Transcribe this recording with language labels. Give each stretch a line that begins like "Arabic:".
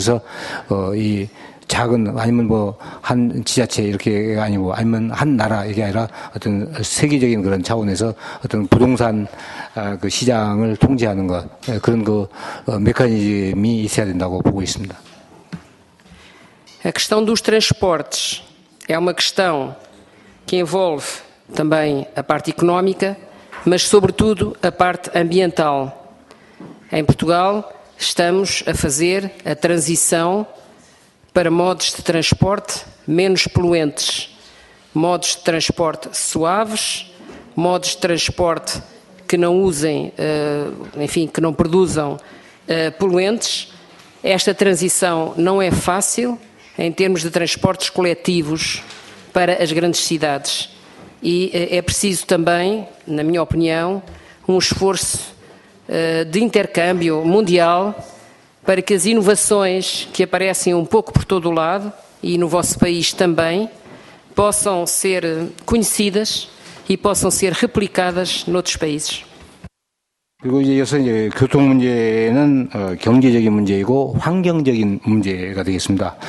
Korean: 그래서 이 작은 아니면 뭐 한 지자체 이렇게 아니고 아니면 한 나라 이게 아니라 어떤 세계적인 그런 차원에서 어떤 부동산 그 시장을 통제하는 것 그런 그 메커니즘이 있어야 된다고 보고 있습니다.
Portuguese: A questão dos transportes é uma questão que envolve também a parte económica, mas sobretudo a parte ambiental. Em Portugal estamos a fazer a transição para modos de transporte menos poluentes, modos de transporte suaves, modos de transporte que não usem, enfim, que não produzam poluentes. Esta transição não é fácil. Em termos de transportes coletivos para as grandes cidades. E é preciso também, na minha opinião, um esforço de intercâmbio mundial para que as inovações que aparecem um pouco por todo o lado, e no vosso país também, possam ser conhecidas e possam ser replicadas noutros países.
Korean: 그리고 이어서 이제 교통 문제는 경제적인 문제이고 환경적인 문제가 되겠습니다.